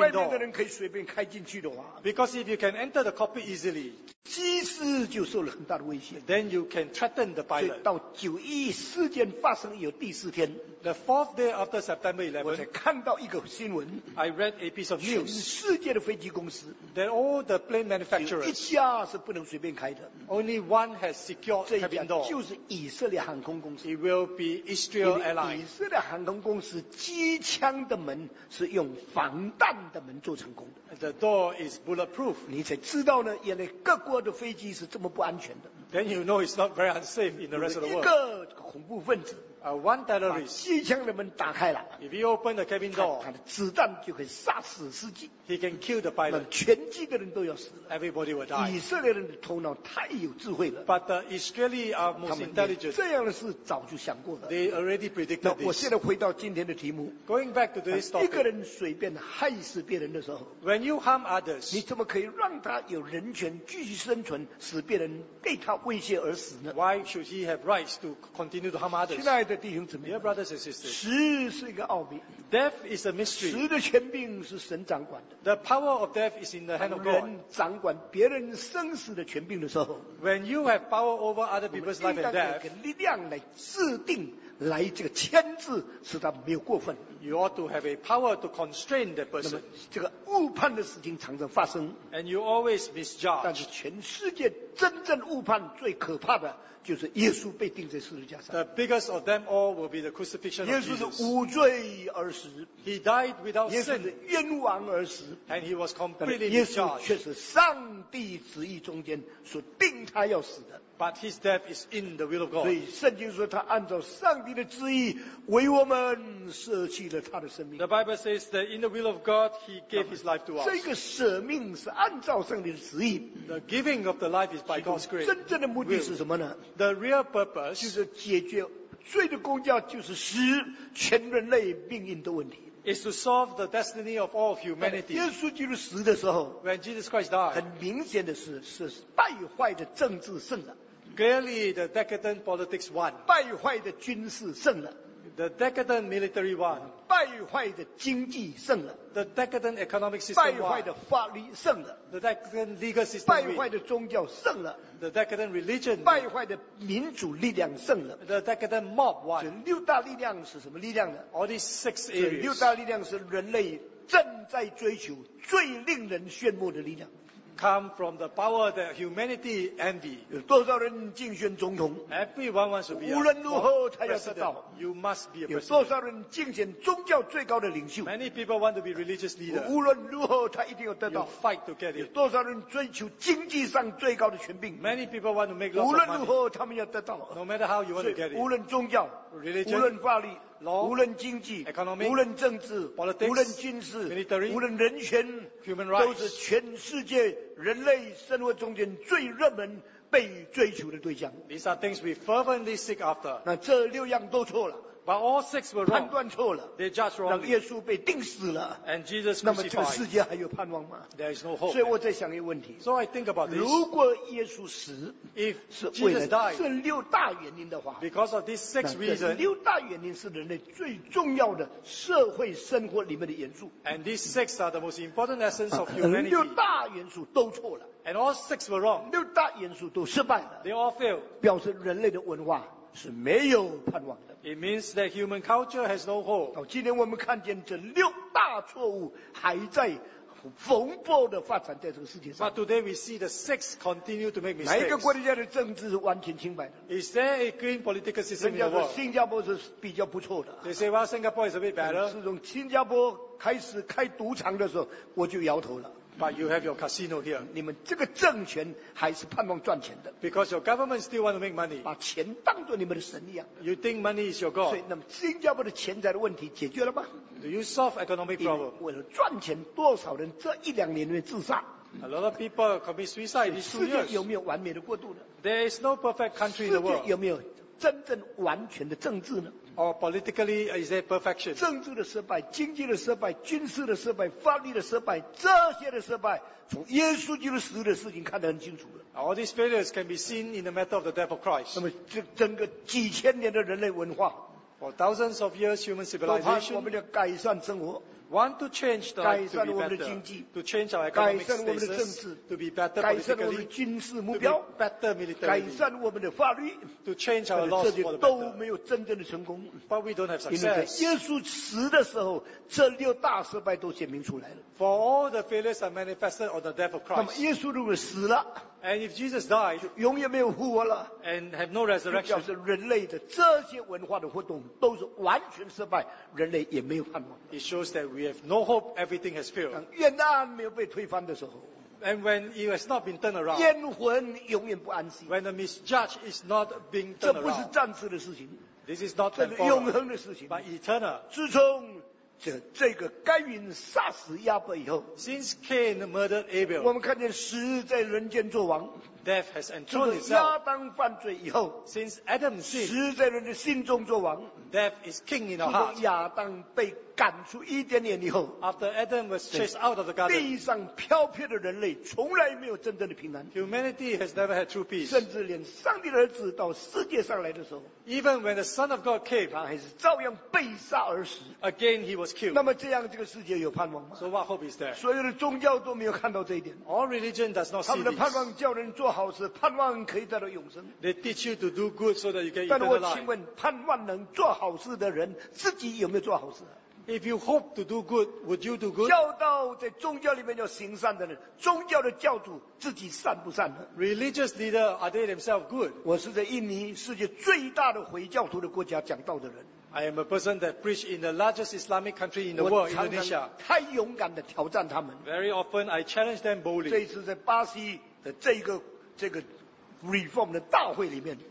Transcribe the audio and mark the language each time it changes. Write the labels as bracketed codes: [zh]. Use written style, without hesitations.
[zh] 外面的人可以随便开进去的话 [en] ，Because if you can enter the cockpit easily. [zh] 机师就受了很大的威胁。 [en] Then you can threaten the pilot. [zh] 到911事件发生以后第四天 [en] ，The fourth day after September 11, [zh] 我才看到一个新闻。 [en] I read a piece of news. [zh] 全世界的飞机公司 [en] ，That all the plane manufacturers [zh] 一家是不能随便开的。 [en] Only one has secured cabin door. [zh] 就是以色列航空公司。 [en] It will be Israel Airlines. [zh] 以色列航空公司机枪的门是用防弹的门做成功的。 [en] The door is bulletproof. [zh] 你才知道呢，原来各国的飞机是这么不安全的。 [en] Then you know it's not very unsafe in the rest of the world. [zh] 有一个恐怖分子 [en] ，one terrorist， [zh] 机枪的门打开了。 [en] If he opened the cabin door， [zh] 他的子弹就可以杀死司机。 [en] He can kill the pilot. [zh] 全机的人都要死了。 [en] Everybody will die. [zh] 以色列人的头脑太有智慧了。 [en] But the Israeli are most intelligent. [zh] 这样的事早就想过了。 [en] They already predicted this. [zh] 那我现在回到今天的题目。 [en] Going back to this topic， [zh] 一个人随便害死别人的时候 [en] ，When you harm others， [zh] 你怎么可以让他有人权继续生存，使别人被他威胁而死呢 [en] ？Why should he have rights to continue to harm others？ [zh] 亲爱的弟兄姊妹 [en] ，Dear brothers and sisters， [zh] 死是一个奥秘。 [en] Death is a mystery。 [zh] 死的权柄是神掌管的。 [en] The power of death is in the hand of God。 [zh] 人掌管别人生死的权柄的时候 [en] ，When you have power over other people's life and death， [zh] 我们应当有力量来制定来这个牵制，使他没有过分。 [en] You ought to have a power to constrain the person. [zh] 那么这个误判的事情常常发生。 [en] And you always misjudge. [zh] 但是全世界真正误判最可怕的，就是耶稣被钉在十字架上。 [en] The biggest of them all will be the crucifixion of Jesus. [zh] 耶稣是无罪而死。 [en] He died without sin. [zh] 耶稣是冤枉而死。 [en] And he was completely misjudged. [zh] 耶稣却是上帝旨意中间所定他要死的。 [en] But his death is in the will of God. [zh] 所以圣经说他按照上帝的旨意为我们舍弃了他的生命。 [en] The Bible says that in the will of God, he gave his life to us. [zh] 这个舍命是按照上帝的旨意。 [en] The giving of the life is by God's grace. [zh] 真正的目的是什么呢？ [en] The real purpose [zh] 就是解决罪的公价，就是使全人类命运的问题。 [en] Is to solve the destiny of all of humanity. [zh] 耶稣基督死的时候， [en] when Jesus Christ died, [zh] 很明显的是败坏的政治胜了。 [en] Clearly, the decadent politics won. [zh] 败坏的军事胜了。 [en] The decadent military won. [zh] 败坏的经济胜了。 [en] The decadent economic system won. [zh] 败坏的法律胜了。 [en] The decadent legal system won. [zh] 败坏的宗教胜了。 [en] The decadent religion won. [zh] 败坏的民主力量胜了。 [en] The decadent mob won. [zh] 这六大力量是什么力量呢？ [en] All these six areas. [zh] 这六大力量是人类正在追求最令人炫目的力量。 [en] Come from the power that humanity envy. [zh] 有多少人竞选总统？ [en] Everyone wants to be a president. [zh] 无论如何，他要得到。 [en] You must be a president. [zh] 有多少人竞选宗教最高的领袖？ [en] Many people want to be religious leader. [zh] 无论如何，他一定要得到。 [en] You fight to get it. [zh] 有多少人追求经济上最高的权柄？ [en] Many people want to make lots of money. [zh] 无论如何，他们要得到。 [en] No matter how you want to get it. [zh] 无论宗教， [en] religion, [zh] 无论法律， [en] law, [zh] 无论经济， [en] economy, [zh] 无论政治， [en] politics, [zh] 无论军事， [en] military, [zh] 无论人权， [en] human rights, [zh] 都是全世界人类生活中间最热门被追求的对象。 [en] These are things we fervently seek after. [zh] 那这六样都错了。 [en] But all six were wrong. [zh] 判断错了。 [en] They judged wrong. [zh] 让耶稣被钉死了。 [en] And Jesus crucified. [zh] 那么这个世界还有盼望吗？ [en] There is no hope. [zh] 所以我在想一个问题。 [en] So I think about this. [zh] 如果耶稣死， [en] if Jesus died, [zh] 是为了这六大原因的话， [en] because of these six reasons. [zh] 这六大原因是人类最重要的社会生活里面的元素。 [en] And these six are the most important essence of humanity. [zh] 六大元素都错了。 [en] And all six were wrong. [zh] 六大元素都失败了。 [en] They all failed. [zh] 表示人类的文化是没有盼望的。 [en] It means that human culture has no hope. [zh] 到今天我们看见这六大错误还在蓬勃的发展在这个世界上。 [en] But today we see the six continue to make mistakes. [zh] 哪一个国家的政治是完全清白的？ [en] Is there a clean political system in the world? [zh] 新加坡是比较不错的。 [en] They say well, Singapore is a bit better. [zh] 是从新加坡开始开赌场的时候，我就摇头了。 [en] But you have your casino here. [zh] 你们这个政权还是盼望赚钱的。 [en] Because your government still want to make money. [zh] 把钱当作你们的神一样。 [en] You think money is your God. [zh] 所以，那么新加坡的钱财的问题解决了吗？ [en] Do you solve economic problem? [zh] 为了赚钱，多少人这一两年内自杀？ [en] A lot of people commit suicide these 2 years. [zh] 世界有没有完美的过渡呢？ [en] There is no perfect country in the world. [zh] 世界有没有真正完全的政治呢？ [en] Or politically, is there perfection? [zh] 政治的失败、经济的失败、军事的失败、法律的失败，这些的失败，从耶稣基督死的事情看得很清楚了。 [en] All these failures can be seen in the matter of the death of Christ. [zh] 那么，这整个几千年的人类文化 [en] ，for thousands of years human civilization, [zh] 我们要改善生活。 [en] Want to change the life to be better, [zh] 改善我们的经济， [en] to change our economic status, [zh] 改善我们的政治， [en] to be better politically, [zh] 改善我们的军事目标， [en] to be better military, [zh] 改善我们的法律， [en] to change our laws for the better. [zh] 都没有真正的成功， [en] but we don't have success. [zh] 因为在耶稣死的时候，这六大失败都显明出来了。 [en] For all the failures are manifested on the death of Christ. [zh] 那么耶稣如果死了， [en] and if Jesus died, [zh] 就永远没有复活了， [en] and have no resurrection. [zh] 就表示人类的这些文化的活动都是完全失败，人类也没有盼望。 [en] It shows that we have no hope, everything has failed. [zh] 当越南没有被推翻的时候， [en] and when it has not been turned around, [zh] 冤魂永远不安息。 [en] When the misjudge is not being turned around, [zh] 这不是暂时的事情， [en] this is not temporary, [zh] 这是永恒的事情。 [en] But eternal. [zh] 自从这个该隐杀死亚伯以后， [en] since Cain murdered Abel, [zh] 我们看见死在人间作王， [en] death has enthroned itself, [zh] 亚当犯罪以后， [en] since Adam sinned, [zh] 死在人的心中作王， [en] death is king in our heart, [zh] 亚当被赶出伊甸园以后， [en] after Adam was chased out of the garden, [zh] 地上飘撇的人类从来没有真正的平安， [en] humanity has never had true peace, [zh] 甚至连上帝的儿子到世界上来的时候， [en] even when the son of God came, [zh] 他还是照样被杀而死， [en] again he was was killed. [zh] 那么这样这个世界有盼望吗？ [en] So what hope is there? [zh] 所有的宗教都没有看到这一点。 [en] All religion does not see this. [zh] 他们的盼望叫人做好事，盼望可以得到永生。 [en] They teach you to do good so that you can eternal life. [zh] 但我请问，盼望能做好事的人，自己有没有做好事？ [en] If you hope to do good, would you do good? [zh] 教导在宗教里面要行善的人，宗教的教主自己善不善呢？ [en] Religious leader, are they themselves good? [zh] 我是在印尼世界最大的回教徒的国家讲道的人。 [en] I am a person that preached in the largest Islamic country in the world, Indonesia. [zh] 太勇敢地挑战他们。 [en] Very often I challenge them boldly. [zh] 这一次在巴西的这个 reform 的大会里面。